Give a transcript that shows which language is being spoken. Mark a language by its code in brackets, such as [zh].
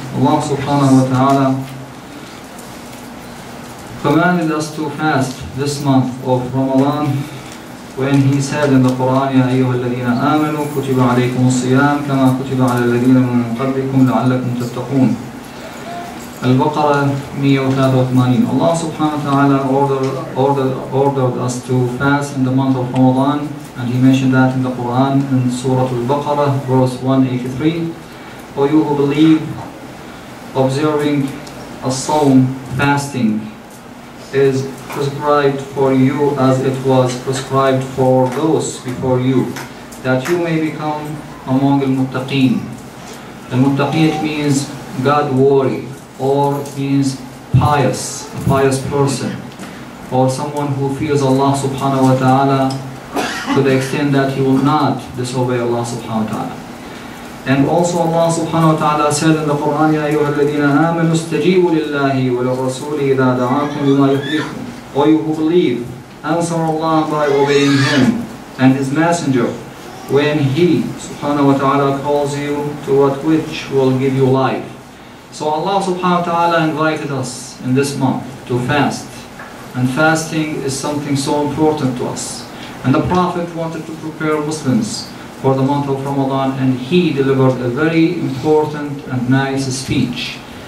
[ar] الله سبحانه وتعالى [en] commanded us to fast this month of Ramadan when he said in the Quran, [ar] يَا أَيُّهَا الَّذِينَ آمَنُوا كُتِبَ عَلَيْكُمُ الصِّيَامُ كَمَا كُتِبَ عَلَى الَّذِينَ مِنْ قَبْلِكُمْ لَعَلَّكُمْ تَتَّقُونَ. البقرة 183. [en] Allah subhanahu wa ta'ala ordered us to fast in the month of Ramadan, and he mentioned that in the Quran in Surah Al-Baqarah, verse 183. O you who believe, observing a sawm, fasting, is prescribed for you as it was prescribed for those before you, that you may become among al-muttaqeen. Al-muttaqeen means God-worthy, or it means pious, a pious person, or someone who fears Allah subhanahu wa ta'ala to the extent that he will not disobey Allah subhanahu wa ta'ala. And also Allah subhanahu wa ta'ala said in the Quran, [ar] يَا أَيُّهَا الَّذِينَ آمَنُوا اسْتَجِيبُوا لِلَّهِ وَلِلرَّسُولِ إِذَا دَعَاكُمْ لِمَا يُحْيِيكُمْ. [en] O you who believe, answer Allah by obeying Him and His Messenger when He subhanahu wa ta'ala calls you to what which will give you life. So Allah subhanahu wa ta'ala invited us in this month to fast. And fasting is something so important to us. And the Prophet wanted to prepare Muslims for the month of Ramadan, and he delivered a very important and nice speech.